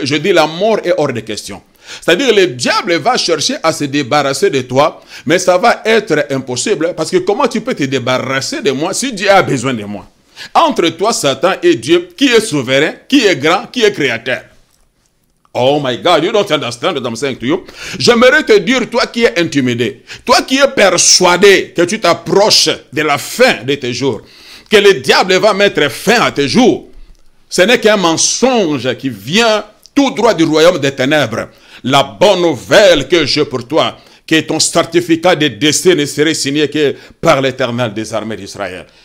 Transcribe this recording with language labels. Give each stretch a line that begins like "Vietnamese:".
French: Je dis la mort est hors de question. C'est-à-dire que le diable va chercher à se débarrasser de toi, mais ça va être impossible parce que comment tu peux te débarrasser de moi si Dieu a besoin de moi? Entre toi, Satan et Dieu, qui est souverain, qui est grand, qui est créateur?
English: Oh my God, you don't understand what I'm saying to you.
French: J'aimerais te dire, toi qui es intimidé, toi qui es persuadé que tu t'approches de la fin de tes jours, que le diable va mettre fin à tes jours, ce n'est qu'un mensonge qui vient tout droit du royaume des ténèbres. La bonne nouvelle que j'ai pour toi, que ton certificat de décès ne serait signé que par l'Éternel des armées d'Israël.